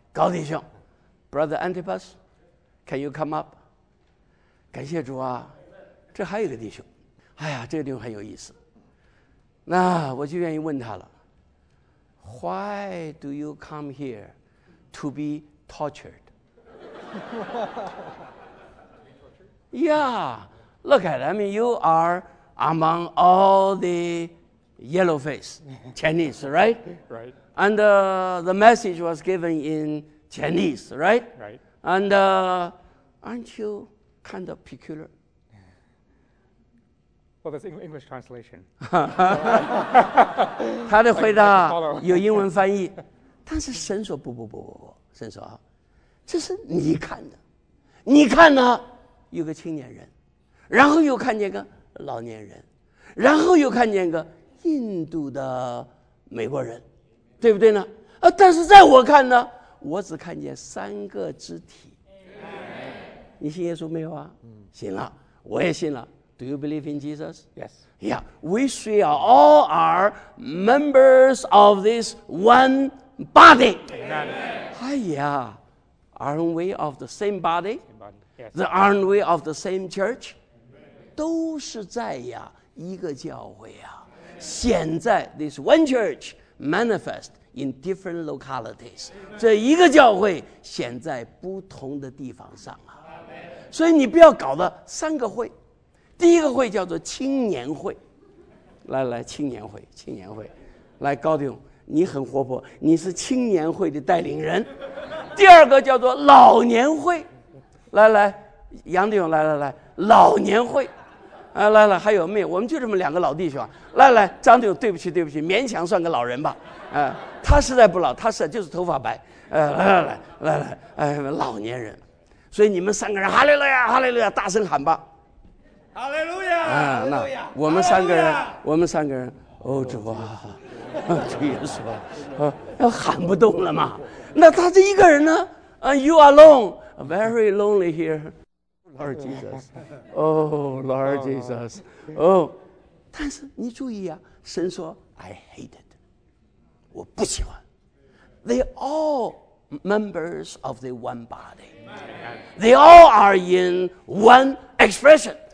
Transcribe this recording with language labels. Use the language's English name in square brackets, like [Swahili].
[English] 高弟兄 ，Brother Antipas，Can you come up？ [Chinese] 感谢主啊，这还有一个弟兄，哎呀，这个弟兄很有意思，那我就愿意问他了， [English] Why do you come here to be tortured? Yeah, look at them, you are among all the yellow face Chinese, right? Right. And the message was given in Chinese, right? Right. And aren't you kind of peculiar? Well, that's English translation. [Chinese] 他的回答有英文翻译，但是神说不不不不不，神说啊，这是你看的，你看呢，有个青年人，然后又看见个老年人，然后又看见个印度的美国人，对不对呢？但是在我看呢，我只看见三个肢体。你信耶稣没有啊？信了，我也信了。 [English] Do you believe in Jesus? Yes. Yeah, we three are all are members of this one body. Amen. 哎呀 ，Aren't we of the same body? Same body. Yes. Aren't we of the same church? [Chinese] 都是在呀一个教会啊。 [English] 现在 this one church manifest in different localities. [Chinese] 这一个教会显在不同的地方上啊。所以你不要搞了三个会，第一个会叫做青年会，来来，青年会，青年会，来高弟兄，你很活泼，你是青年会的带领人。第二个叫做老年会，来来，杨弟兄，来来来，老年会，啊来来，还有没有？我们就这么两个老弟兄，来来，张弟兄，对不起对不起，勉强算个老人吧，啊，他实在不老，他是就是头发白，来来来来来，哎，老年人。所以你们三个人哈利路亚哈利路亚大声喊吧哈利路亚啊，那我们三个人我们三个人哦，主啊，主耶稣啊，要喊不动了嘛，那他这一个人呢， [English] You are alone, very lonely here, Lord Jesus, Oh Lord Jesus, Oh, [Chinese] 但是你注意啊，神说 [English] I hate it, [Chinese] 我不喜欢， [English] They all members of the one bodyThey all are in one expression.